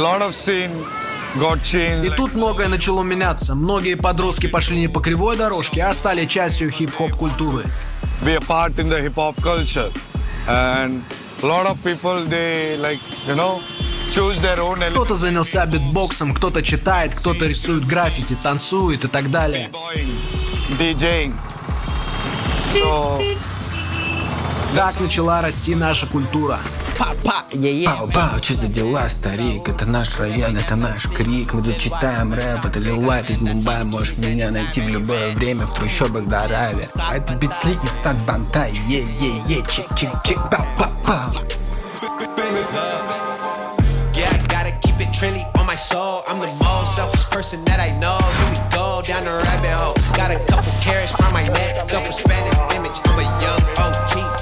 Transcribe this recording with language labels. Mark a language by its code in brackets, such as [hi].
[ru] И тут многое начало меняться. Многие подростки пошли не по кривой дорожке, а стали частью хип-хоп культуры. [en] Be a part in the hip-hop culture, and a lot of people they like, you know, choose their own. [ru] Кто-то занялся битбоксом, кто-то читает, кто-то рисует граффити, танцует и так далее. [en] DJing. [ru] So, так начала расти наша культура. Пау-пау, че за дела, старик? Это наш район, это наш крик. Мы тут читаем рэп, это ли лайф из Мумбаи. Можешь меня найти в любое время в трущобах Дараве. А это битсли из Сан-Бантай. Е-е-е, чик-чик-чик, пау-пау-пау. [en] Yeah, I gotta keep it trendy on my soul. I'm the most selfish person that I know. Here we go down the rabbit hole. Got a couple carrots on my neck. Self-respect is image, I'm a young OG.